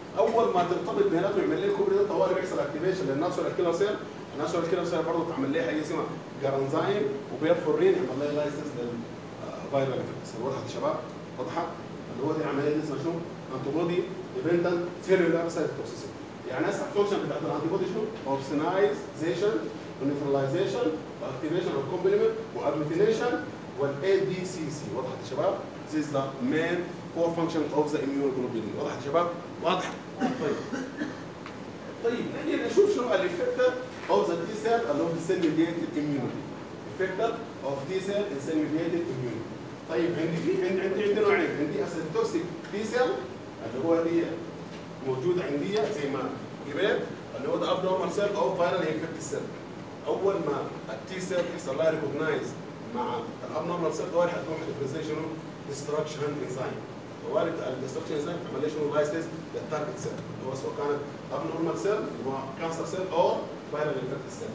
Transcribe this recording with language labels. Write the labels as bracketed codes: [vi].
[ar] اول ما ترتبط بيناتهم يعمل لي الكوبري ده طوالي بيحصل اكتيفيشن للناتشورال كيلر سيل، الناتشورال كيلر سيل برضه تعمل لها حاجه اسمها جرانزايم وبيرفورين يعمل لها لايسنس للفيرال انفكشن. وضحت يا شباب؟ وضحت؟ اللي هو دي عمليه اسمها شو؟ انتي بودي ديبندنت سيلولار سايتوكسيسيتي. يعني اسمع الفانكشن بتاعت الانتي بودي شو؟ اوبسنايزيشن ونيترلايزيشن واكتيفيشن اوف كومبلمنت واجلوتينيشن والADCC. وضحت يا شباب؟ [en] This is the main core function of the immunoglobulin. [ar] وضحت يا شباب؟ واضح. طيب نجي نشوف شنو الافكتر [en] of the T cell along the cell mediated immunity. Effector of T cell in cell mediated immunity. [ar] طيب عندي نوعين، عندي اسيتوكسيك T cell اللي هو دي موجودة عندي زي ما قريت اللي هو [en] the abnormal cell [ar] أو [en] viral infected cell. [ar] أول ما T cell يحصل لها recognize مع الابنورمال سيل طوالي حتكون ديفرنسيشن ديستركشن انزايم طوالي الديستركشن انزايم بتعمل ايش؟ لايسيس للتارجت سيل اللي هو سواء كانت ابنورمال سيل هو كانسر سيل او فايرال انفكت سيل.